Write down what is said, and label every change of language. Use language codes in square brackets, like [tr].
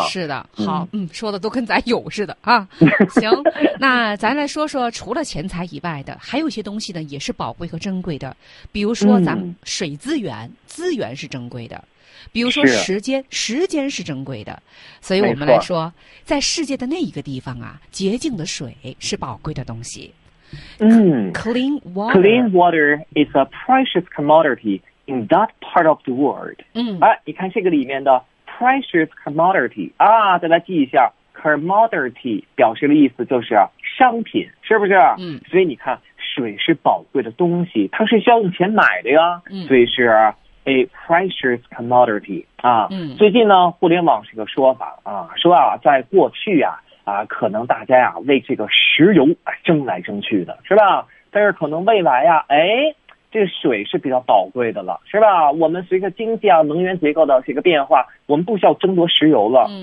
[zh] 是的，好，说的都跟咱有似的啊。行，那咱来说说除了钱财以外的，还有一些东西呢，也是宝贵和珍贵的。比如说咱们水资源，资源是珍贵的。比如说时间，时间是珍贵的。所以我们来说，在世界的那一个地方啊，洁净的水是宝贵的东西。 [en] Clean water is a precious commodity in that part of the world. [zh] 你看这个里面的 precious commodity 啊，再来记一下 commodity 表示的意思就是商品，是不是？所以你看，水是宝贵的东西，它是需要用钱买的呀。所以是 a precious commodity 啊。最近呢，互联网是个说法啊，说啊，在过去啊。可能大家呀、为这个石油争来争去的，是吧？但是可能未来呀、这个水是比较宝贵的了，是吧？我们随着经济啊、能源结构的这个变化，我们不需要争夺石油了。